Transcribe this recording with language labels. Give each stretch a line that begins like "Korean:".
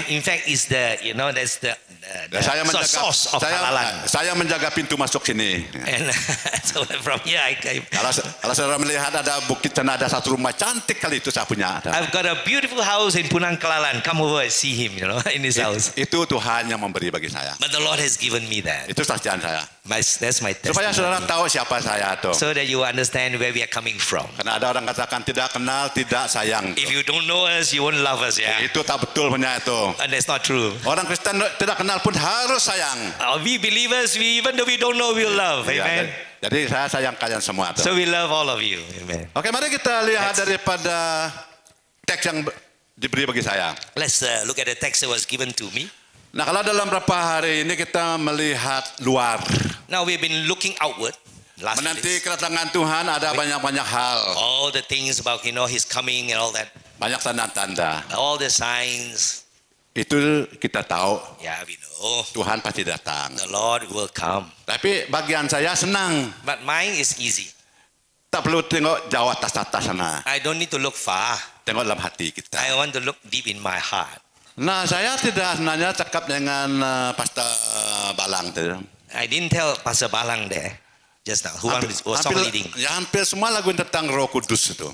English: And in fact, is the you know that's the
Indonesian: saya menjaga,
English: source of Lalan.
Indonesian: Saya menjaga pintu masuk sini.
English: And so from here I came.
Indonesian: Kalau saudara melihat ada bukit dan ada satu rumah cantik kali itu saya punya.
English: I've got a beautiful house in Punang Kelalan. Come over and see him, you know, in his house.
Indonesian: Itu Tuhan yang memberi bagi saya.
English: But the Lord has given me that.
Indonesian: Itu saksian saya.
English: That's my testimony.
Indonesian: Supaya saudara tahu siapa saya tuh.
English: So that you understand where we are coming from.
Indonesian: Karena ada orang katakan tidak kenal tidak sayang. Tuh.
English: If you don't know us, you won't love us, ya.
Indonesian: Itu tak betul punya itu.
English: And that's not true.
Indonesian: Orang Kristen tidak kenal pun harus sayang.
English: We believers, we even though we don't know, we love. Yeah, amen.
Indonesian: Jadi saya sayang kalian semua. Tuh.
English: So we love all of you. Amen.
Indonesian: Okay, mari kita lihat daripada teks yang diberi bagi saya.
English: Let's look at the text that was given to me.
Indonesian: Nah, kalau dalam beberapa hari ini kita melihat luar.
English: Now we've been looking outward.
Indonesian: Menanti kedatangan Tuhan ada banyak-banyak hal.
English: All the things about you know his coming and all that.
Indonesian: Banyak tanda-tanda.
English: All the signs.
Indonesian: Itu kita tahu.
English: Yeah, we know.
Indonesian: Tuhan pasti datang.
English: The Lord will come.
Indonesian: Tapi bagian saya senang.
English: But mine is easy.
Indonesian: Tak perlu tengok jauh atas-atas sana.
English: I don't need to look far.
Indonesian: Tengok dalam hati kita.
English: I want to look deep in my heart.
Indonesian: Nah, saya tidak sebenarnya cakap dengan Pastor Balang tu.
English: I didn't tell Pastor Balang there just now. Who was leading?
Indonesian: Hampir semua lagu tentang Roh Kudus itu.